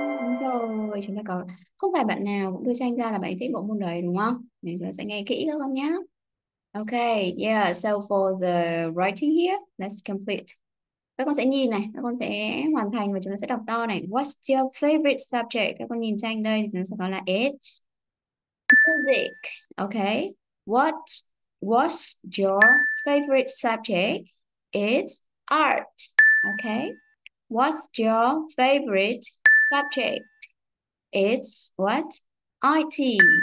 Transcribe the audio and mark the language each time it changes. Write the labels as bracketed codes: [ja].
[vi] Đúng rồi, chúng ta có không phải bạn nào cũng đưa tranh ra là bạn thích bộ môn đấy đúng không? Nên chúng ta sẽ nghe kỹ các con nhé. [en] Okay, yeah, so for the writing here, let's complete. [vi] Các con sẽ nhìn này, các con sẽ hoàn thành và chúng ta sẽ đọc to này. [en] What's your favorite subject? [vi] Các con nhìn tranh đây thì nó sẽ có là [en] it's music. Okay, what's your favorite subject? It's art. Okay. What's your favorite subject? It's what? IT.